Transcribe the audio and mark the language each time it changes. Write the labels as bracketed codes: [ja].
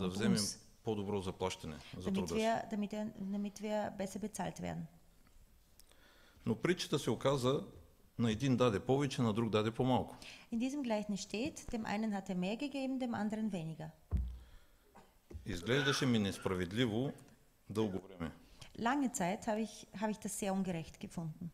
[de] Damit wir besser bezahlt werden. [bg] Но притчата се оказа, на един даде повече, на друг даде по-малко. [de] In diesem Gleichnis steht, dem einen hat er mehr gegeben, dem anderen weniger. [bg] Изглеждаше ми несправедливо дълго време. [de] Lange Zeit habe ich das sehr ungerecht gefunden.